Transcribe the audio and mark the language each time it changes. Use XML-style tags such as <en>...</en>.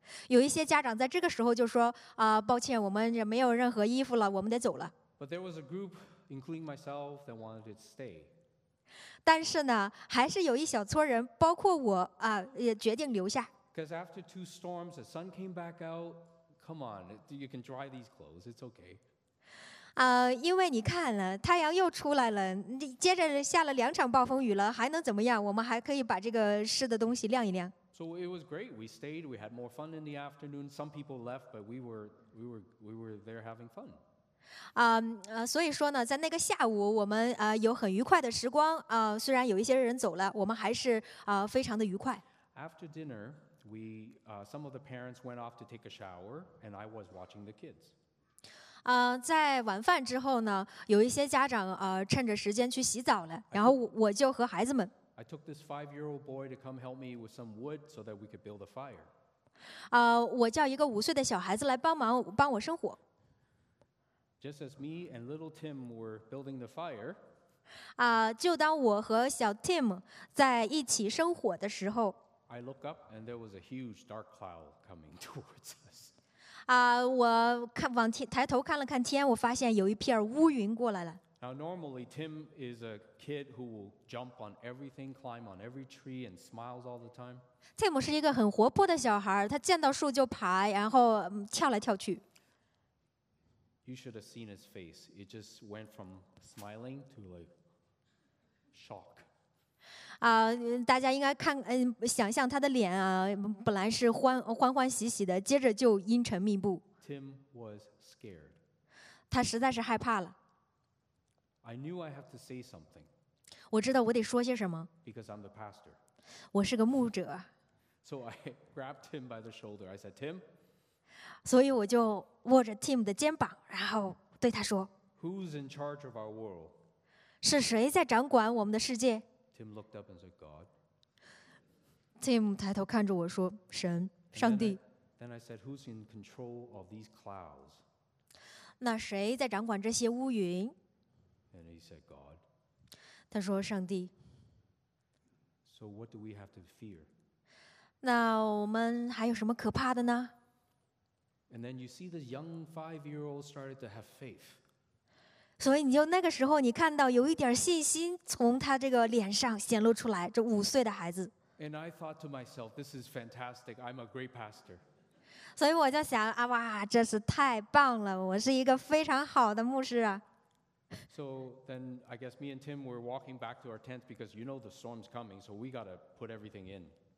<zh>有一些家长在这个时候就说啊，抱歉，我们也没有任何衣服了，我们得走了。</zh> <en>But there was a group, including myself, that wanted to stay.</en> <zh>但是呢，还是有一小撮人，包括我啊，也决定留下。</zh> <en>Because after 2 storms, the sun came back out. Come on, you can dry these clothes. It's okay.</en> <zh>因为你看了，太阳又出来了，接着下了两场暴风雨了，还能怎么样？我们还可以把这个湿的东西晾一晾。</zh> <en>So it was great. We stayed. We had more fun in the afternoon. Some people left, but we were there having fun.</en> <zh>所以说呢，在那个下午，我们有很愉快的时光。虽然有一些人走了，我们还是非常的愉快。</zh> <en>After dinner, some of the parents went off to take a shower, and I was watching the kids.</en> <zh>在晚饭之后呢，有一些家长趁着时间去洗澡了，然后我就和孩子们。</zh> <en>I took this 5-year-old boy to come help me with some wood so that we could build a fire.</en> <zh>我叫一个5岁的小孩子来帮我生火。</zh> <en>Just as me and little Tim were building the fire.</en> <zh>就当我和小 Tim 在一起生火的时候。</zh> <en>I look up and there was a huge dark cloud coming towards us.</en> <zh>我抬头看了看天，我发现有一片乌云过来了。</zh> <en>Now normally Tim is a kid who will jump on everything, climb on every tree, and smiles all the time.</en> <zh>Tim 是一个很活泼的小孩，他见到树就爬，然后跳来跳去。</zh> <en>You should have seen his face. It just went from smiling to like shock.</en> <zh>大家应该看，想象他的脸啊，本来是欢喜的，接着就阴沉密布。</zh> <en>Tim was scared.</en> <zh>他实在是害怕了。</zh> <en>I knew I have to say something.</en> <zh>我知道我得说些什么。</zh> <en>Because I'm the pastor.</en> <zh>我是个牧者。</zh> <en>So I grabbed him by the shoulder. I said, Tim.</en> <zh>所以我就握着 Tim 的肩膀，然后对他说。</zh> <en>Who's in charge of our world?</en> <zh>是谁在掌管我们的世界？</zh> <en>Tim looked up and said, "God."</en> <zh>Tim 抬头看着我说，神，上帝。</zh> <en>Then I said, "Who's in control of these clouds?"</en> <zh>那谁在掌管这些乌云</zh> <en>？And he said, "God."</en> <zh>他说，上帝。</zh> <en>So what do we have to fear?</en> <zh>那我们还有什么可怕的呢</zh> <en>？And then you see the young 5-year-old started to have faith.</en> <zh>所以你就那个时候，你看到有一点信心从他这个脸上显露出来，这5岁的孩子。</zh> <en>And I thought to myself, this is fantastic. I'm a great pastor.</en> <zh>所以我就想啊，哇，这是太棒了！我是一个非常好的牧师啊。</zh> <en>So then, I guess me and Tim were walking back to our tents because you know the storm's coming, so we gotta put everything in.</en>